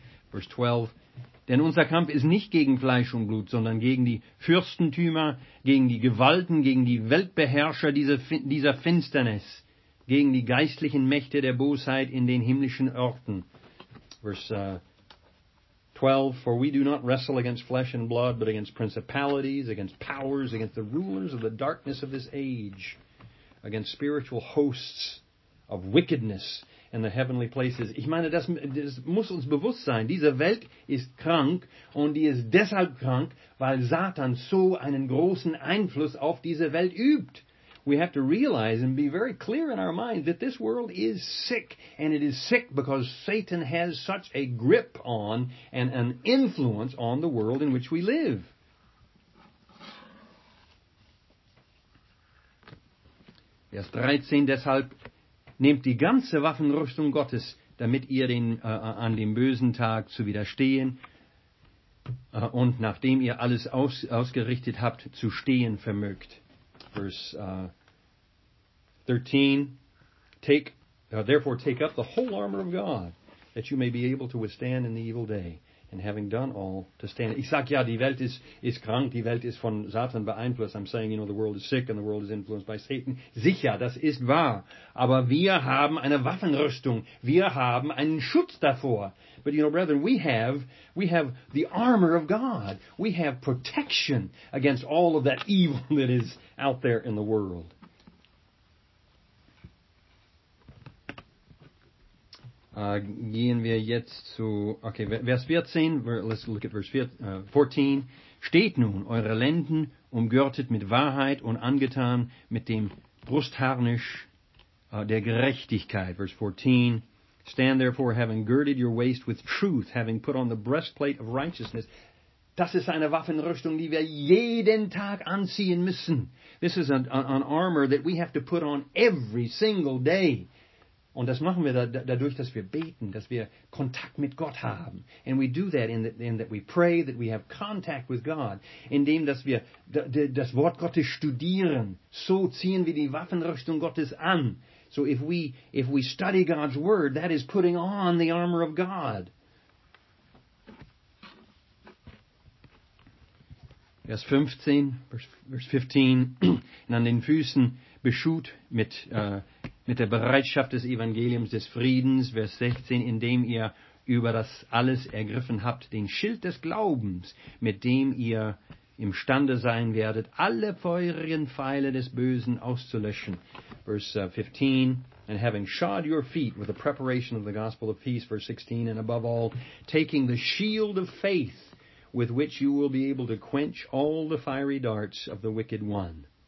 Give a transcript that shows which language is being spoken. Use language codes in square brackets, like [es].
[de] Vers 12, denn unser Kampf ist nicht gegen Fleisch und Blut, sondern gegen die Fürstentümer, gegen die Gewalten, gegen die Weltbeherrscher dieser Finsternis, gegen die geistlichen Mächte der Bosheit in den himmlischen Orten. [en] Vers 12, for we do not wrestle against flesh and blood, but against principalities, against powers, against the rulers of the darkness of this age, against spiritual hosts of wickedness in the heavenly places. [de] Ich meine, das muss uns bewusst sein. Diese Welt ist krank und die ist deshalb krank, weil Satan so einen großen Einfluss auf diese Welt übt. [en] We have to realize and be very clear in our mind that this world is sick, and it is sick because Satan has such a grip on and an influence on the world in which we live. [de] Vers 13, deshalb nehmt die ganze Waffenrüstung Gottes, damit ihr an dem bösen Tag zu widerstehen und nachdem ihr alles ausgerichtet habt, zu stehen vermögt. [en] Vers 13, therefore take up the whole armor of God, that you may be able to withstand in the evil day, and having done all, to stand. [de] Ich sage ja, die Welt ist krank, die Welt ist von Satan beeinflusst. [en] I'm saying, you know, the world is sick and the world is influenced by Satan. [de] Sicher, das ist wahr. Aber wir haben eine Waffenrüstung. Wir haben einen Schutz davor. [en] But you know, brethren, we have the armor of God. We have protection against all of that evil that is out there in the world. [de] Gehen wir jetzt zu Vers 14. [en] Let's look at verse 14. [de] Steht nun eure Lenden umgürtet mit Wahrheit und angetan mit dem Brustharnisch der Gerechtigkeit. [en] Verse 14. Stand therefore, having girded your waist with truth, having put on the breastplate of righteousness. [de] Das ist eine Waffenrüstung, die wir jeden Tag anziehen müssen. [en] This is an armor that we have to put on every single day. [de] Und das machen wir dadurch, dass wir beten, dass wir Kontakt mit Gott haben. [en] And we do that in that we pray, that we have contact with God. [de] Indem, dass wir das Wort Gottes studieren. So ziehen wir die Waffenrüstung Gottes an. [en] So if we study God's word, that is putting on the armor of God. [de] Vers 15. Und an den Füßen beschut mit der Bereitschaft des Evangeliums des Friedens, Vers 16, indem ihr über das alles ergriffen habt, den Schild des Glaubens, mit dem ihr imstande sein werdet, alle feurigen Pfeile des Bösen auszulöschen. [en] Verse 15, and having shod your feet with the preparation of the gospel of peace, Verse 16, and above all, taking the shield of faith, with which you will be able to quench all the fiery darts of the wicked one.